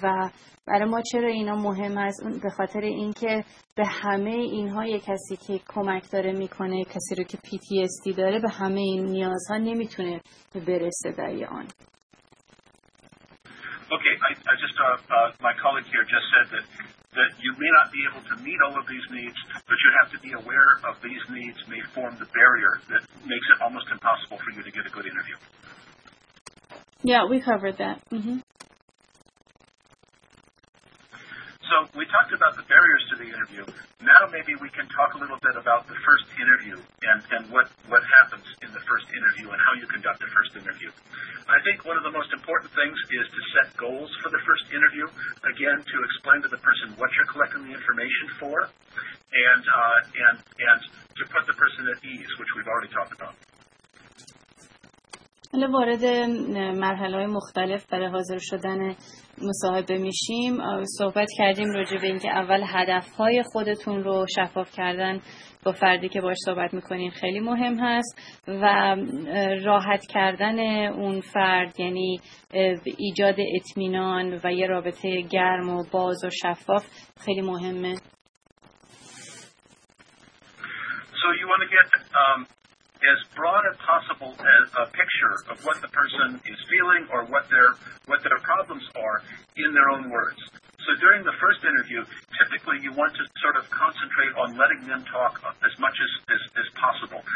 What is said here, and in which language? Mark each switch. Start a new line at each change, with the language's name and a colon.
Persian: و برای ما چرا اینا مهم هست؟ به خاطر اینکه به همه اینها یک کسی که کمک داره میکنه، کسی رو که PTSD داره، به همه این نیازها نمیتونه برسه در آن.
English: Okay, I just my colleague here just said that that you may not be able to meet all of these needs, but you have to be aware of these needs may form the barrier that makes it almost impossible for you to get a good interview. Yeah, we covered that. Mm-hmm. So we talked about the barriers to the interview. Now maybe we can talk a little bit about the first interview and what happens in the first interview and how you conduct the first interview. I think one of the most important things is to set goals for the first interview. Again, to explain to the person what you're collecting the information for and to put the person at ease, which we've already talked about.
Persian: حالا وارد مرحله های مختلف برای حاضر شدن مصاحبه میشیم. صحبت کردیم راجع به اینکه اول هدف های خودتون رو شفاف کردن با فردی که باش صحبت میکنین خیلی مهم هست و راحت کردن اون فرد، یعنی ایجاد اطمینان و یه رابطه گرم و باز و شفاف خیلی مهمه.
English: So you want to get as broad as possible as a picture of what the person is feeling or what their problems are in their own words. So during the first interview, typically you want to sort of concentrate on letting them talk as much as possible.